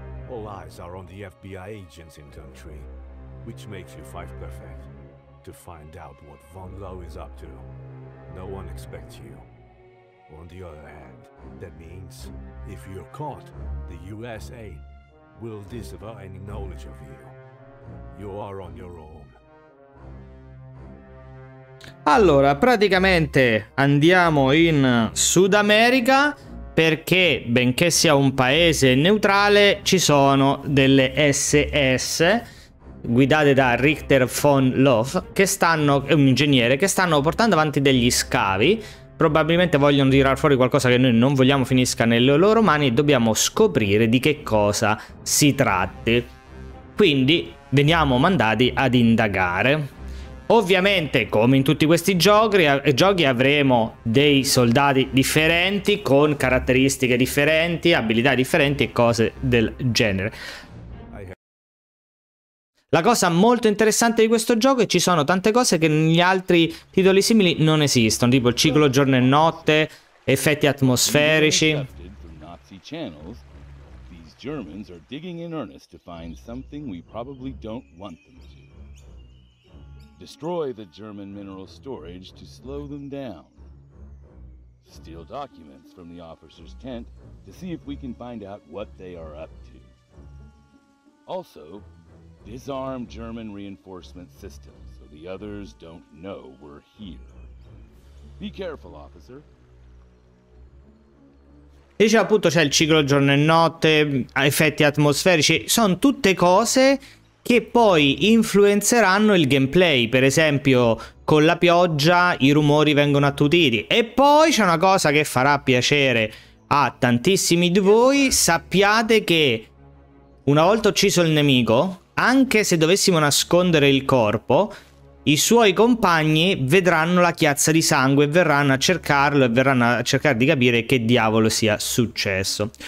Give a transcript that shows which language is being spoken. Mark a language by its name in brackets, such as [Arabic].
[English] All eyes are on the FBI agents in country, which makes you five perfect to find out what Von Lowe is up to. No one expects you. On the other hand, that means if you're caught, the USA will disavow any knowledge of you. You are on your own. [Italian] Allora, praticamente andiamo in Sud America perché, benché sia un paese neutrale, ci sono delle SS guidate da Richter von Lowe, che stanno, è un ingegnere, che stanno portando avanti degli scavi. Probabilmente vogliono tirar fuori qualcosa che noi non vogliamo finisca nelle loro mani e dobbiamo scoprire di che cosa si tratti. Quindi veniamo mandati ad indagare. Ovviamente, come in tutti questi giochi, avremo dei soldati differenti con caratteristiche differenti, abilità differenti e cose del genere. La cosa molto interessante di questo gioco è che ci sono tante cose che negli altri titoli simili non esistono, tipo il ciclo giorno e notte, effetti atmosferici. [English] These Germans are digging in earnest to find something we probably don't want them to. Destroy the German mineral storage to slow them down. Steal documents from the officer's tent to see if we can find out what they are up to. Also, disarm German reinforcement systems so the others don't know we're here. Be careful, officer. [Italian] Dice appunto, c'è il ciclo giorno e notte, effetti atmosferici, sono tutte cose che poi influenzeranno il gameplay. Per esempio, con la pioggia i rumori vengono attutiti. E poi c'è una cosa che farà piacere a tantissimi di voi: sappiate che una volta ucciso il nemico, anche se dovessimo nascondere il corpo, i suoi compagni vedranno la chiazza di sangue e verranno a cercarlo e verranno a cercare di capire che diavolo sia successo.